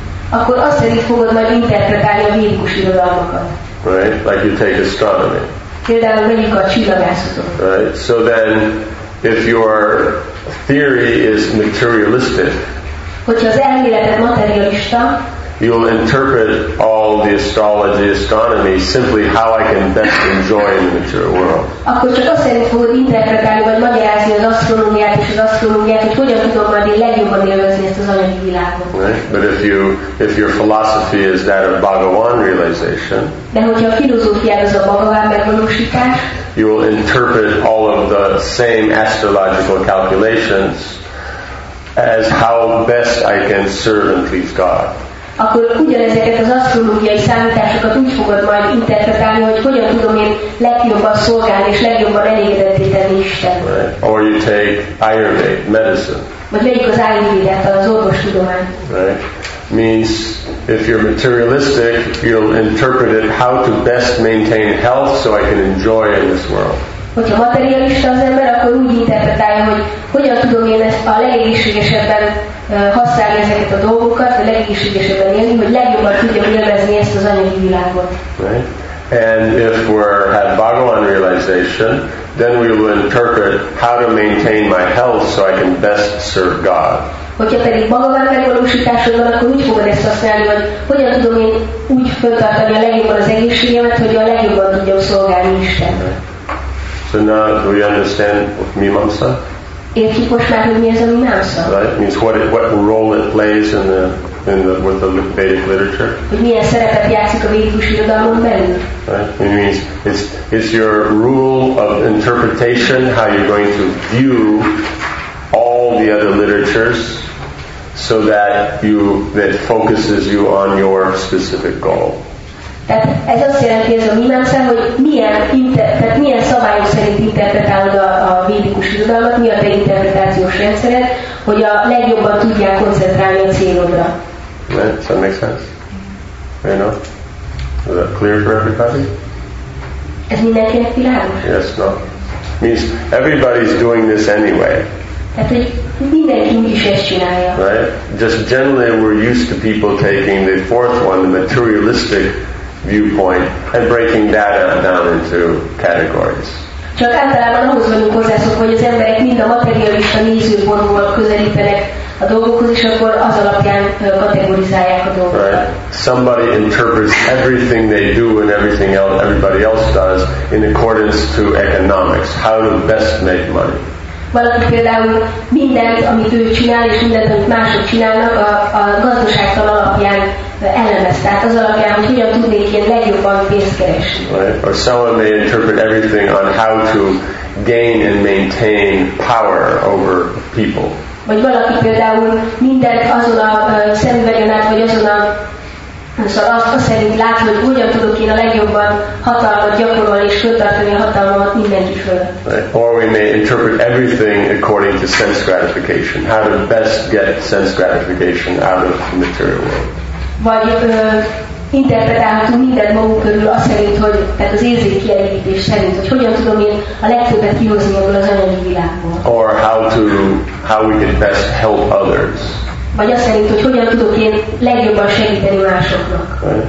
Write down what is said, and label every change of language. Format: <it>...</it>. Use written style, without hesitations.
<hu>Akkor azt szerint fogod majd interpretálni a védikus irodalmakat.</hu> <en>Right? Like you take astronomy.</en> <hu>Például mondjuk a csillagászatot.</hu> <en>Right? So then, if your theory is materialistic,</en> <hu>hogyha az elméleted materialista,</hu> <en>you'll interpret all the astrology, astronomy, simply how I can best enjoy the material world.</en> <hu>Akkor csak azt szerint fogod interpretálni, vagy magyarázni az asztrológiát és az asztrológiát, hogy hogyan tudok majd én legjobban élvezni ezt az anyagi világot.</hu> <en>Right? But if your philosophy is that of Bhagavan realization,</en> <hu>de hogyha a filozófiád az a Bhagavan megvalósítás,</hu> <en>you will interpret all of the same astrological calculations as how best I can serve and please God.</en> <hu>Akkor ugyanezeket az asztrológiai számításokat úgy fogod majd interpretálni, hogy hogyan tudom én legjobban szolgálni és legjobban elégedetté tenni Istent.</hu> <en>Right. Or you take Ayurveda, medicine.</en> <hu>Vagy legyik az Ayurvédát, az orvos tudomány.</hu> <en>Right. Means if you're materialistic, you'll interpret it how to best maintain health so I can enjoy in this world.</en> <hu>Hogyha materialista az ember, akkor úgy interpretálja, hogy hogyan tudom én ezt a legegészségesebben használni ezeket a dolgokat, vagy legegészségesebben élni, hogy legjobban tudjam élvezni ezt az anyagi világot.</hu> <en>Right. And if we're at Bhagavan realization, then we will interpret how to maintain my health so I can best serve God.</en> <hu>Hogyha pedig Bhagavan megvalósításod van, akkor úgy fogod ezt használni, hogy hogyan tudom én úgy föltartani a legjobban az egészségemet, hogy a legjobban tudjam szolgálni Isten.</hu> <en>So now do you understand what Mimamsa?</en> <hu>Értjük most már, hogy mi ez a Mimamsa?</hu> <en>Right? Means what role it plays with the Vedic literature.</en> <hu>Hogy milyen szerepet játszik a védikus irodalmon belül.</hu> <en>Right? It means it's your rule of interpretation, how you're going to view all the other literatures so that that focuses you on your specific goal.</en> <hu>Tehát ez azt jelenti, ez a Mimamsa, hogy milyen szabályok szerint interpretálod a védikus irodalmat, mi a te interpretációs rendszered, hogy a legjobban tudják koncentrálni a célodra.</hu> <en>Right, does that make sense? You know? Is that clear for everybody?</en> <hu>Ez mindenkinek világos?</hu> <en>Yes, no. Means everybody's doing this anyway.</en> <hu>Tehát, hogy mindenki úgy is ezt csinálja.</hu> <en>Right? Just generally we're used to people taking the fourth one, the materialistic viewpoint, and breaking that down into categories.</en> <hu>Csak általában ahhoz vagyunk hozzászok, hogy az emberek mind a materialista nézőpontból közelítenek a dolgokhoz, és akkor az alapján kategorizálják a dolgokat.</hu> <en>Right. Somebody interprets everything they do and everything else everybody else does in accordance to economics. How to best make money.</en> <hu>Valaki például mindent, amit ő csinál, és mindent, amit mások csinálnak, a gazdaságtan alapján elemez. Tehát az alapján, hogy hogyan tudnék én legjobban pénzt keresni.</hu> <en>Right. Or someone may interpret everything on how to gain and maintain power over people.</en> <hu>Vagy valaki például mindent azon a szemüvegen át, vagy azon a szóval azt szerint látni, hogy hogyan tudok én a legjobban hatalmat gyakorolni és föltartani a hatalmat mindenki föl.</hu> <en>Right. Or we may interpret everything according to sense gratification. How to best get sense gratification out of the material world.</en> <hu>Vagy interpretálhatunk mindent magunk körül azt szerint, hogy tehát az érzékkielégítés szerint, hogy hogyan tudom én a legtöbbet kihozni ebből az anyagi világból.</hu> <en>Or how we can best help others.</en> <hu>Vagy azt szerint, hogy hogyan tudok én legjobban segíteni másoknak.</hu>